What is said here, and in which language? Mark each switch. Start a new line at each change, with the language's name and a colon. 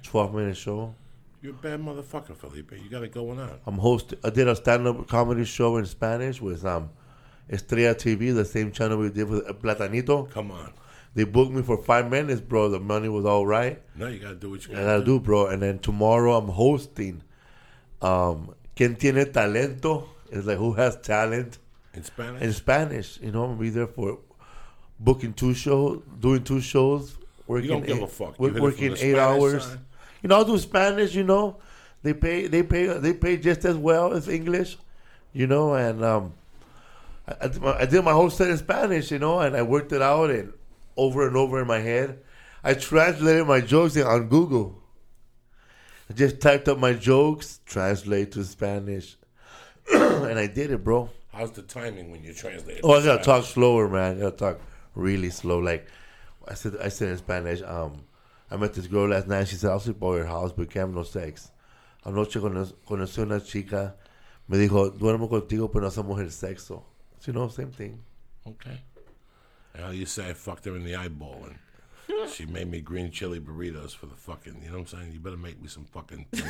English: 12-minute show. You're a bad motherfucker, Felipe. You got it going on. I did a stand-up comedy show in Spanish with Estrella TV, the same channel we did with Platanito. Come on. They booked me for 5 minutes, bro. The money was all right. No, you got to do what you got to do. I do, bro. And then tomorrow I'm hosting ¿Quién tiene talento? It's like, who has talent? In Spanish, you know, I'm gonna be there for booking two shows, doing two shows, working. You don't give a fuck. Working 8 hours. You know, I do Spanish. You know, they pay just as well as English. You know, and I did my whole set in Spanish. You know, and I worked it out and over in my head. I translated my jokes on Google. I just typed up my jokes, translate to Spanish, and I did it, bro. How's the timing when you translate? Oh, I gotta talk slower, man. I gotta talk really slow. Like I said in Spanish, I met this girl last night. She said, I'll sleep over your house, but can't have no sex.
Spanish: Anoche conocí una chica. Me dijo, duermo contigo, pero no somos el sexo.
English: So, you know, same thing. Okay. Now you say I fucked her in the eyeball, and she made me green chili burritos for the fucking, you know what I'm saying? You better make me some fucking